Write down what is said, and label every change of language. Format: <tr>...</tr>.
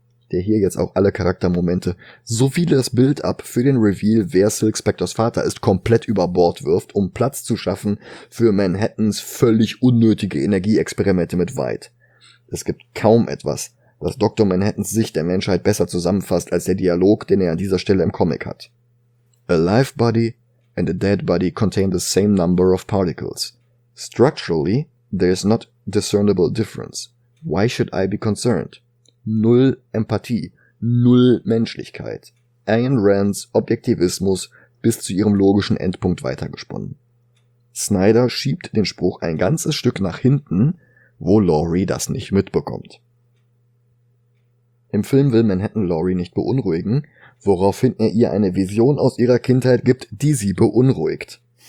<de>Der hier jetzt auch alle Charaktermomente, so viele das Bild ab für den Reveal, wer Silk Spectres Vater ist, komplett über Bord wirft, um Platz zu schaffen für Manhattans völlig unnötige Energieexperimente mit White. Es gibt kaum etwas, das Dr. Manhattans Sicht der Menschheit besser zusammenfasst als der Dialog, den er an dieser Stelle im Comic hat.</de> <en>A live body and a dead body contain the same number of particles. Structurally, there is not discernible difference. Why should I be concerned?</en> <de>Null Empathie, null Menschlichkeit. Ayn Rands Objektivismus bis zu ihrem logischen Endpunkt weitergesponnen. Snyder schiebt den Spruch ein ganzes Stück nach hinten, wo Laurie das nicht mitbekommt. Im Film will Manhattan Laurie nicht beunruhigen, woraufhin er ihr eine Vision aus ihrer Kindheit gibt, die sie beunruhigt.</de>